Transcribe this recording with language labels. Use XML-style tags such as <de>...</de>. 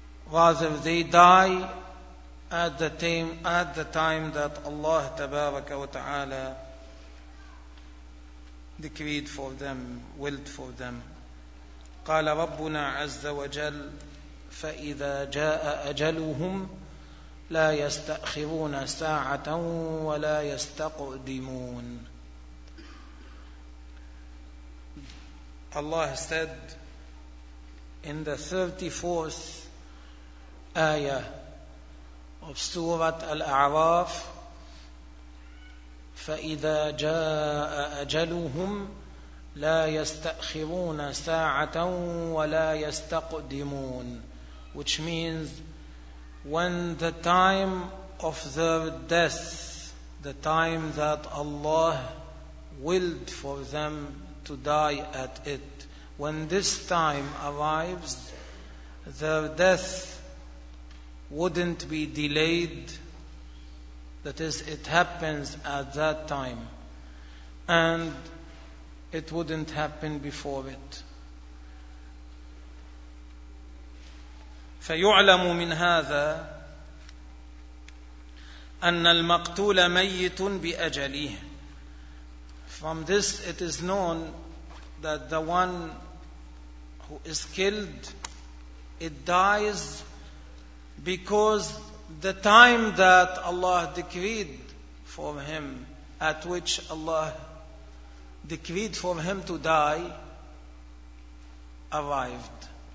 <en>Rather, they die at the time that Allah Tabaraka wa Ta'ala decreed for them, willed for them.</en> <ar>قال ربنا عز وجل فإذا جاء أجلهم لا يستأخرون ساعة ولا يستقدمون.</ar> <en>Allah said in the 34th ayah of Surah Al-A'raf,</en> <ar>فَإِذَا جَاءَ أَجَلُهُمْ لَا يَسْتَأْخِرُونَ سَاعَةً وَلَا يَسْتَقْدِمُونَ,</ar> <en>which means when the time of their death, the time that Allah willed for them to die at it, when this time arrives, their death wouldn't be delayed. That is, it happens at that time, and it wouldn't happen before it.</en> <ar>فيعلم من هذا أن المقتول ميت بأجله.</ar> <en>From this it is known that the one who is killed, it dies because the time that Allah decreed for him, at which Allah decreed for him to die, arrived.</en>